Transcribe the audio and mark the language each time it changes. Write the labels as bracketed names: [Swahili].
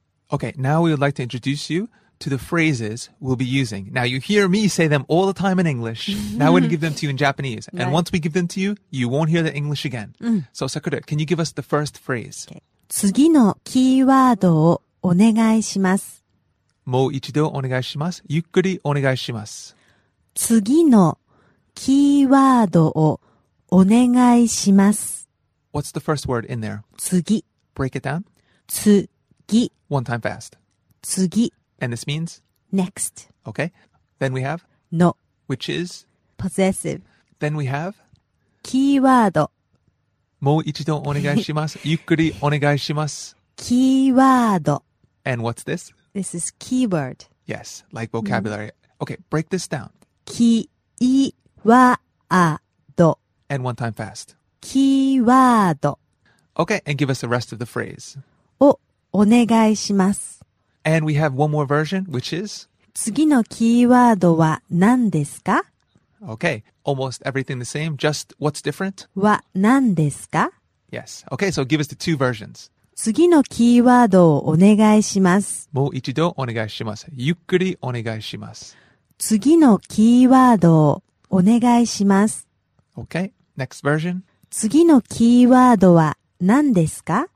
[English] Okay, now we would like to introduce you to the phrases we'll be using. Now you hear me say them all the time in English. Now we're going to give them to you in Japanese. And once we give them to you, you won't hear the English again. So Sakura, can you give us the first phrase? [Japanese] 次のキーワードをお願いします。もう一度お願いします。ゆっくりお願いします。次のキーワードをお願いします。 [English] What's the first word in there? [Japanese] 次。 [English] Break it down. [Japanese] 次。 [English] One time fast. [Japanese] 次。 [English] And this means? Next. Okay. Then we have? [Japanese] No. [English] Which is? Possessive. Then we have? [Japanese] キーワード。もう一度お願いします。ゆっくりお願いします。キーワード。 [English] And what's this? This is keyword. Yes, like vocabulary. Okay, break this down. [Japanese] キーワード。 [English] And one time fast. [Japanese] キーワード。 [English] Okay, and give us the rest of the phrase. [Japanese] をお願いします。 [English] And we have one more version, which is? [Japanese] 次のキーワードは何ですか? [English] Okay, almost everything the same, just what's different? [Japanese] は何ですか? [English] Yes, okay, so give us the two versions. [Japanese] 次のキーワードをお願いします。もう一度お願いします。ゆっくりお願いします。次のキーワードをお願いします。 [English] Okay, next version. [Japanese] 次のキーワードは何ですか?